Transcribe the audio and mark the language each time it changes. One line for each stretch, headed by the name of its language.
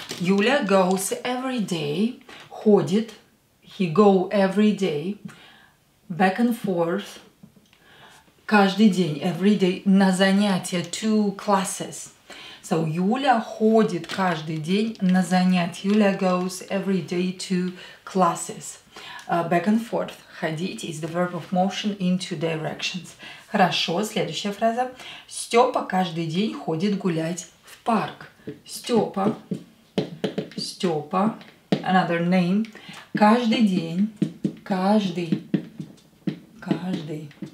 English: Юля goes every day.
Russian: Ходит.
English: He go every day. Back and forth.
Russian: Каждый день.
English: Every day.
Russian: На занятия.
English: Two classes.
Russian: So, Юля ходит каждый день на занятия.
English: Юля goes every day to classes. Back and forth. Ходить is the verb of motion in two directions.
Russian: Хорошо, следующая фраза. Степа каждый день ходит гулять в парк. Степа. Степа.
English: Another name.
Russian: Каждый день. Каждый. Каждый.